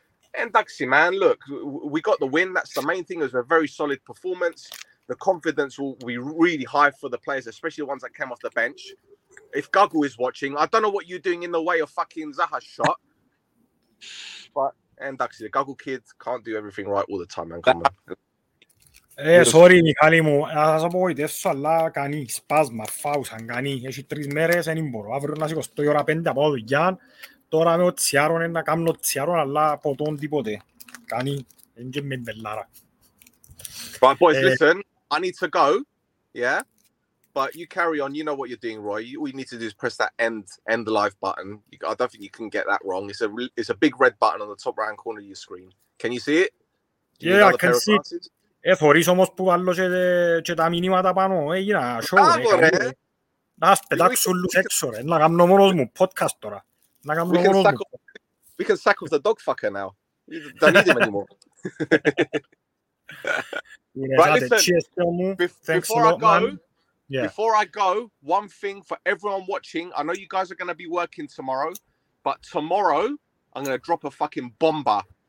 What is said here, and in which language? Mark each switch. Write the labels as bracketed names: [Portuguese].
[English] Εντάξει, man, look, we got the win. That's the main thing. It was a very solid performance. The confidence will be really high for the players, especially the ones that came off the bench. If Gagu is watching, I don't know what you're doing in the way of fucking Zaha's shot. But Εντάξει, the Gagu kids can't do everything right all the time, man. Come on. [Greek] Sorry, Michali μου, ας απογοητεύσω, αλλά κανεί, σπάσμα, φάουσαν, κανεί, έχει τρεις μέρες, δεν μπορώ, αύριο να σηκωστώ η ώρα πέντε από εδώ, για, τώρα με ο τσιάρον, να κάνω τσιάρον, αλλά από τον τίποτε, κανεί, δεν και με μπελάρα. [English] Right, boys, listen, I need to go, yeah, but you carry on, you know what you're doing, Roy, all you need to do is press that end live button, I don't think you can get that wrong, it's a big red button on the top right-hand corner of your screen, can you see it? Yeah, I can see it. [Greek] Θωρείς όμως που βάλω και τα μηνύματα πάνω, έγινα show. Να σπετάξω όλους έξω, να κάνω μόνος μου podcast τώρα. Να κάνω μόνος μου. [English] We can sack off the dog fucker now. Don't need him anymore. Right, listen, thanks a lot, man. Before I go, one thing for everyone watching, I know you guys are going to be working tomorrow, but tomorrow I'm going to drop a fucking bomber.